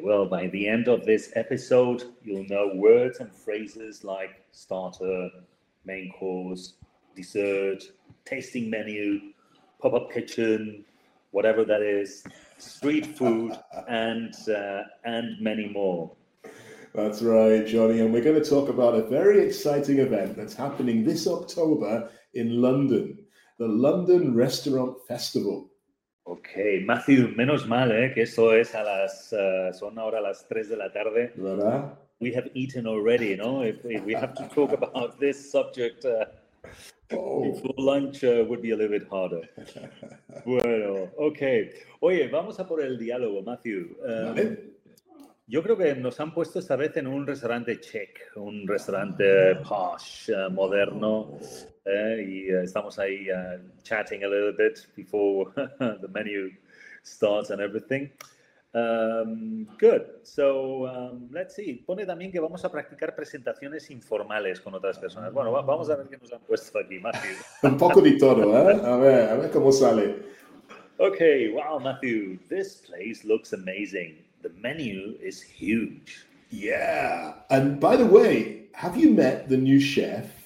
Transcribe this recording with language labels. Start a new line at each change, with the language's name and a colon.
English: Well, by the end of this episode, you'll know words and phrases like starter, main course, dessert, tasting menu, pop-up kitchen, whatever that is, street food, and many more. That's right, Johnny. And we're going to talk about a very exciting event that's happening this October in London, the London Restaurant Festival.
Spanish: Okay, Matthew, menos mal, que eso es a las, son ahora las 3 de la tarde. ¿Verdad?
English: We have eaten already, you know, if we have to talk about this subject before lunch would be a little bit harder.
Spanish: Bueno, okay. Oye, vamos a por el diálogo, Matthew. Yo creo que nos han puesto esta vez en un restaurante chic, un restaurante posh, moderno, y estamos ahí
English: chatting a little bit before the menu starts and everything. Good. So, let's see.
Spanish: Pone también que vamos a practicar presentaciones informales con otras personas. Bueno, vamos a ver qué nos han puesto aquí, Matthew. Un poco de todo, ¿eh? A ver cómo sale.
English: Okay. Wow, Matthew. This place looks amazing. The menu is huge. Yeah. And by the way, have you met the new chef?